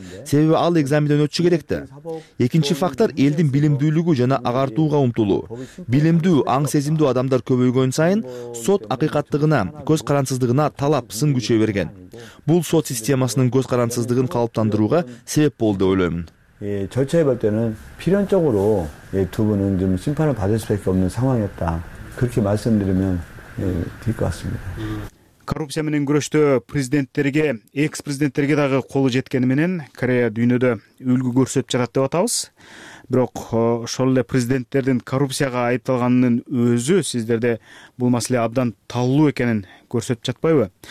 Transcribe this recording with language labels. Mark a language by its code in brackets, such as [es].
[ky] Себеби ал экзамендон өтүшү керек да. Экинчи фактор элдин билимдүүлүгү жана агартууга умтулуу. Билимдүү, аң сезимдүү адамдар көбөйгөн сайын сот акыйкаттыгына, көз карансыздыгына талап сын күчөй берген. Бул сот системасынын көз карансыздыгын калыптандырууга себеп болду деп ойлойм. [ko] 예, 절차에 볼 때는 필연적으로 예, 두 분은 좀 심판을 받을 수밖에 없는 상황이었다. 그렇게 말씀드리면 예, 될 것 같습니다. [ky] коррупция менен күрөштө президенттерге, экс-президенттерге дагы колу жеткени менен Корея дүйнөдө үлгү көрсөтүп жатат деп атабыз. Бирок ошол эле президенттердин коррупцияга айыпталганынын өзү сиздерде бул маселе абдан таалуу экенин көрсөтүп жатпайбы?